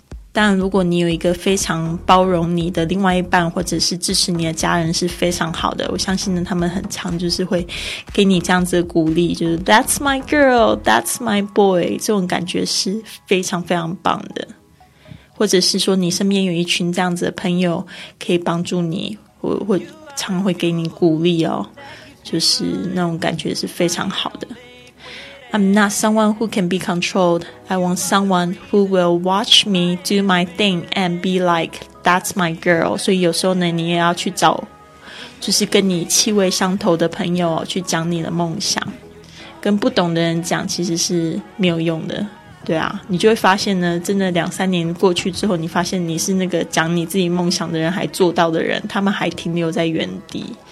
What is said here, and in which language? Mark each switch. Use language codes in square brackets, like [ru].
[zh] 但如果你有一个非常包容你的另外一半，或者是支持你的家人是非常好的，我相信呢他们很常就是会给你这样子的鼓励，就是 [en] That's my girl, that's my boy, [zh] 这种感觉是非常非常棒的。或者是说你身边有一群这样子的朋友可以帮助你，我会常会给你鼓励哦，就是那种感觉是非常好的。 [en] I'm not someone who can be controlled. I want someone who will watch me do my thing and be like, that's my girl. [zh] 所以有时候呢，你也要去找，就是跟你气味相投的朋友，去讲你的梦想。跟不懂的人讲其实是没有用的。对啊，你就会发现呢，真的两三年过去之后，你发现你是那个讲你自己梦想的人还做到的人，他们还停留在原地。